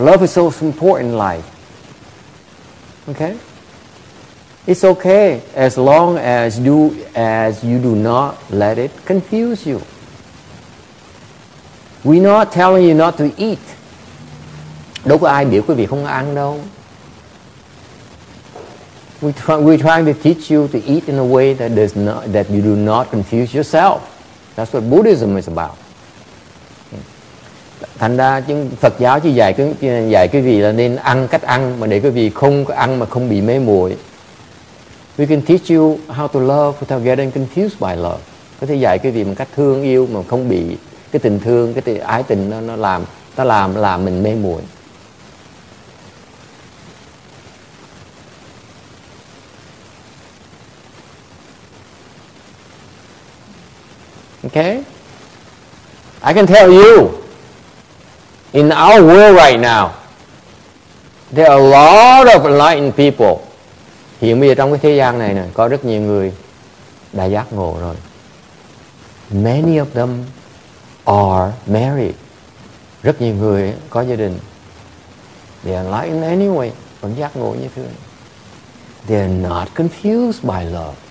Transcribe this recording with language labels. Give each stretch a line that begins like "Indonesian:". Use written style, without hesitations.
English: Love is so important in life. Okay? It's okay as long as you do not let it confuse you. We're not telling you not to eat.
Vietnamese: Đâu có ai biểu quý vị không ăn đâu.
English: We're trying to teach you to eat in a way that you do not confuse yourself. That's what Buddhism is about.
Vietnamese: Thành ra Phật giáo chỉ dạy quý vị là nên ăn cách ăn mà để quý vị không ăn mà không bị mê muội.
English: We can teach you how to love without getting confused by love.
Vietnamese: Có thể dạy quý vị một cách thương yêu mà không bị cái tình thương, cái ái tình nó làm mình mê muội.
English: Okay? I can tell you, in our world right now, there are a lot of enlightened people.
Vietnamese: Hiện bây giờ trong cái thế gian này nè, có rất nhiều người đã giác ngộ rồi.
English: Many of them are married.
Vietnamese: Rất nhiều người có gia đình.
English: They are enlightened anyway.
Vietnamese: Vẫn giác ngộ như thường.
English: They are not confused by love.